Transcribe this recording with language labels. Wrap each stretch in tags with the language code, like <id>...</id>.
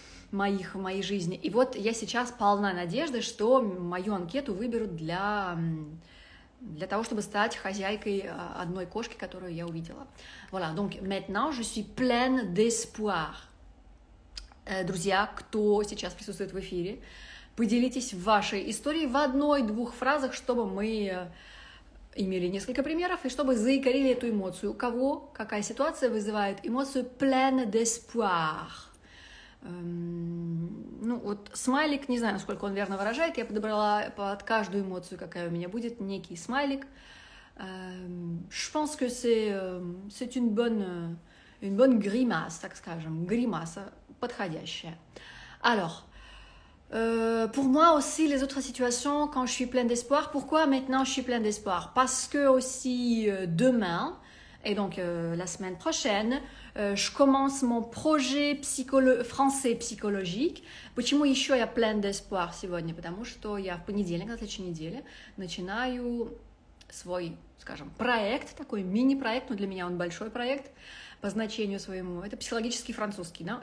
<ru>Моих, моей жизни. И вот я сейчас полна надежды, что мою анкету выберут для того, чтобы стать хозяйкой одной кошки, которую я увидела.</ru> <fr>Voilà, donc maintenant je suis pleine d'espoir.</fr> <ru>Друзья, кто сейчас присутствует в эфире, поделитесь вашей историей в одной-двух фразах, чтобы мы имели несколько примеров, и чтобы заикарили эту эмоцию. У кого какая ситуация вызывает эмоцию</ru> <fr>pleine d'espoir?</fr> <ru>Ну, вот смайлик, не знаю, насколько он верно выражает, я подобрала под каждую эмоцию, какая у меня будет, некий смайлик.</ru> <fr>Je pense que c'est une bonne grimace,</fr> <ru>так скажем, гримаса подходящая.</ru> <fr>Alors, pour moi aussi, les autres situations, quand je suis pleine d'espoir, pourquoi maintenant je suis pleine d'espoir? Parce que aussi demain, et donc la semaine prochaine, je commence mon projet français psychologique.</fr> <ru>Почему еще я</ru> <fr>pleine d'espoir</fr> <ru>сегодня? Потому что я в понедельник, на следующей неделе, начинаю свой, скажем, проект, такой мини-проект, но для меня он большой проект по значению своему. Это психологический французский, да?</ru>